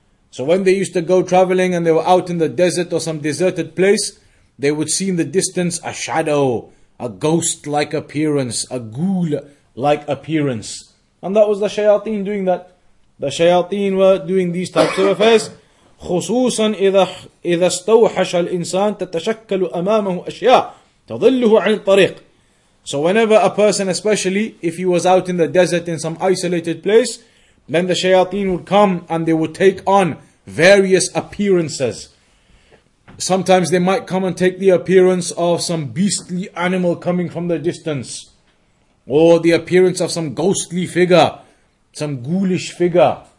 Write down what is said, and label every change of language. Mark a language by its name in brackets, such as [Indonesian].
[English] So when they used to go traveling and they were out in the desert or some deserted place, they would see in the distance a shadow, a ghost-like appearance, a ghoul-like appearance. And that was the shayateen doing that. The shayateen were doing these types of affairs. [Arabic] خصوصاً إذا استوحش الإنسان تتشكل أمامه أشياء تضله عن الطريق. [English] So whenever a person, especially if he was out in the desert in some isolated place, then the shayateen would come and they would take on various appearances. Sometimes they might come and take the appearance of some beastly animal coming from the distance, or the appearance of some ghostly figure, some ghoulish figure.